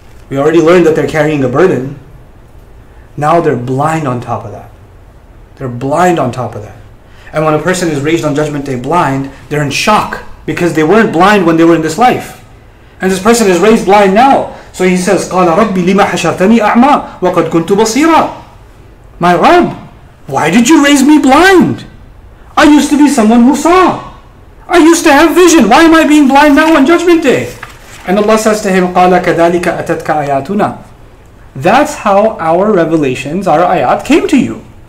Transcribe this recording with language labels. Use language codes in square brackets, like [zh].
[en] We already learned that they're carrying a burden. Now they're blind on top of that. They're blind on top of that. And when a person is raised on Judgment Day blind, they're in shock because they weren't blind when they were in this life. And this person is raised blind now. So he says, [ar] قَالَ رَبِّ لِمَ حَشَرْتَنِي أَعْمَى وَقَدْ كُنْتُ بَصِيرًا. [en] My Rabb, why did you raise me blind? I used to be someone who saw. I used to have vision. Why am I being blind now on Judgment Day? And Allah says to him, [ar] قَالَ كَذَلِكَ أَتَتْكَ آيَاتُنَا. [en] That's how our revelations, our ayat, came to you.